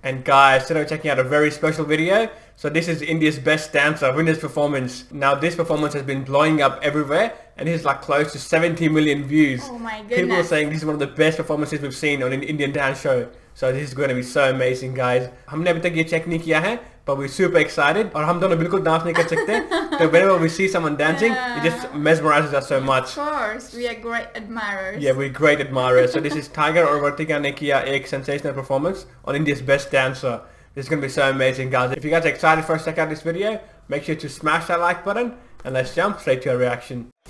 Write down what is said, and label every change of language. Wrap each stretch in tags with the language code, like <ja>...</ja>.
<en>And guys, today we're checking out a very special video. So this is India's best dancer, winner's performance. Now this performance has been blowing up everywhere, and this is like close to 70 million views. Oh my goodness. People are saying this is one of the best performances we've seen on an Indian dance show. So this is going to be so amazing, guys.</en> <hi>हमने अभी तक ये check नहीं किया है,</hi> <en>but we're super excited.</en> <hi>और हम दोनों बिलकुल डांस नहीं कर सकते.</hi> <en>But whenever we see someone dancing, yeah, it just mesmerizes us so much. Of course, we are great admirers. Yeah, we're great admirers. So this is Tiger</en> <hi>aur Vartika ne kiya ek</hi> <en>sensational performance on India's Best Dancer. This is going to be so amazing, guys. If you guys are excited for us to check out this video, make sure to smash that like button and let's jump straight to our reaction.</en>